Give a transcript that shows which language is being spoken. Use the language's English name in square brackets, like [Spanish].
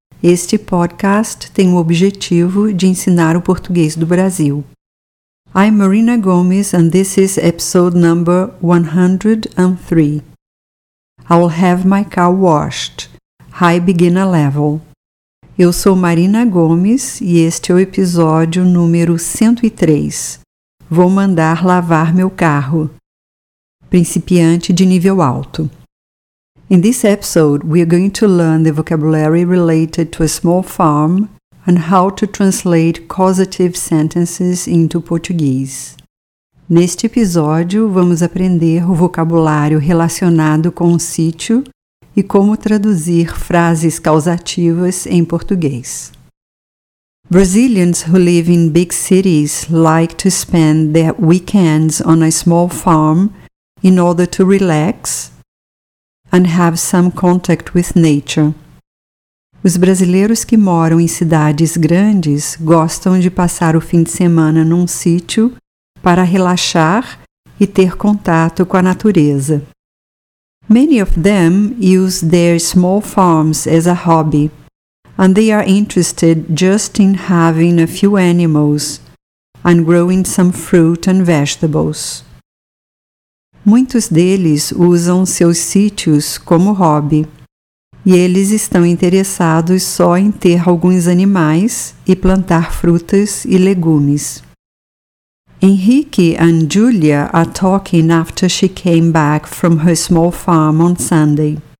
[Portuguese] Este podcast tem o objetivo de ensinar o português do Brasil. [English] I'm Marina Gomes and this is episode number 103. I'll have my car washed. High beginner level. [Portuguese] Eu sou Marina Gomes e este é o episódio número 103. Vou mandar lavar meu carro. Principiante de nível alto. [English] In this episode, we are going to learn the vocabulary related to a small farm and how to translate causative sentences into Portuguese. [Portuguese] Neste episódio, vamos aprender o vocabulário relacionado com o sítio e como traduzir frases causativas em português. [English] Brazilians who live in big cities like to spend their weekends on a small farm in order to relax and have some contact with nature. [Portuguese] Os brasileiros que moram em cidades grandes gostam de passar o fim de semana num sítio para relaxar e ter contato com a natureza. [English] Many of them use their small farms as a hobby. And they are interested just in having a few animals and growing some fruit and vegetables. [Portuguese] Muitos deles usam seus sítios como hobby, e eles estão interessados só em ter alguns animais e plantar frutas e legumes. [English] Henrique and Julia are talking after she came back from her small farm on Sunday.